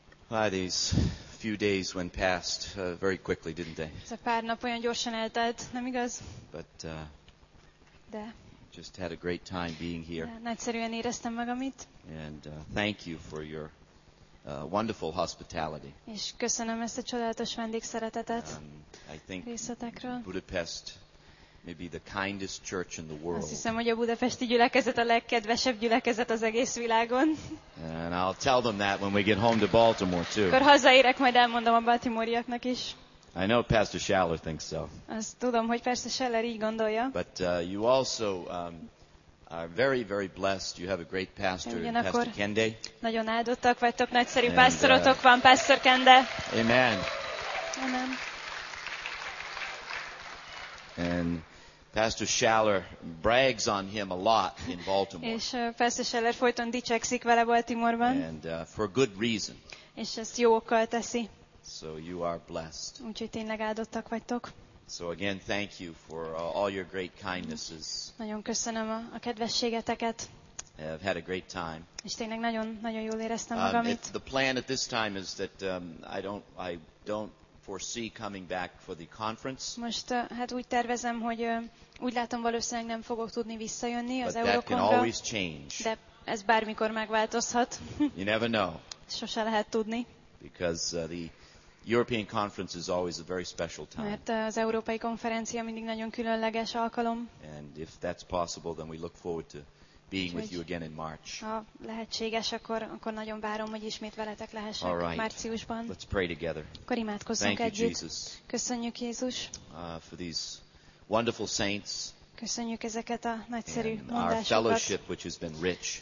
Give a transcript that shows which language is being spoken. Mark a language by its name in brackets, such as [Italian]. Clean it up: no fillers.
[English] Well, these few days went past very quickly, didn't they? [Hungarian] Ez a pár nap olyan gyorsan eltelt, nem igaz? [English] But [Hungarian] de [English] just had a great time being here. [Hungarian] Nagyszerűen éreztem magam itt. [English] And thank you for your wonderful hospitality. [Hungarian] És köszönöm ezt a csodálatos vendégszeretetet. [English] I think Budapest may be the kindest church in the world. [Hungarian] Azt hiszem, hogy a budapesti gyülekezet a legkedvesebb gyülekezet az egész világon. [English] And I'll tell them that when we get home to Baltimore too. [Hungarian] Akkor hazaérek, majd elmondom a baltimoriaknak is. [English] I know Pastor Schaller thinks so. [Hungarian] Azt tudom, hogy Pastor Schaller így gondolja. [English] But you also are very, very blessed. You have a great pastor, Pastor Kende. [Hungarian] Nagyon áldottak vagytok, nagyszerű pásztorotok van, Pastor Kende. Amen. Amen. [English] And Pastor Schaller brags on him a lot in Baltimore. [Hungarian] És Pastor Schaller folyton dicsekszik vele Baltimoreban. [English] And for good reason. [Hungarian] És ezt jó okkal teszi. [English] So you are blessed. [Hungarian] Úgyhogy tényleg áldottak vagytok. [English] So again, thank you for all your great kindnesses. [Hungarian] Nagyon köszönöm a kedvességeteket. [English] I've had a great time. [Hungarian] És tényleg nagyon nagyon jól éreztem magam itt. [English] The plan at this time is that I don't foresee coming back for the conference. [Hungarian] Most hát úgy tervezem, hogy úgy látom valószínűleg nem fogok tudni visszajönni az Eurocon-ra. [English] But that can always change. [Hungarian] De ez bármikor megváltozhat. [English] You never know. [Hungarian] Sose lehet tudni. [English] Because the European conference is always a very special time. [Hungarian] Mert az európai konferencia mindig nagyon különleges alkalom. [English] And if that's possible, then we look forward to being [Hungarian] úgy, [English] with you again in March. [Hungarian] Ha lehetséges, akkor nagyon várom, hogy ismét veletek lehessek [English] all right. [Hungarian] Márciusban. [English] Let's pray together. [Hungarian] Akkor imádkozzunk [English] thank [Hungarian] együtt. [English] You, Jesus. [Hungarian] Köszönjük Jézus. [English] For these wonderful saints. [Hungarian] Köszönjük ezeket a nagyszerű [English] and [Hungarian] mondásokat. [English] Our fellowship, which has been rich.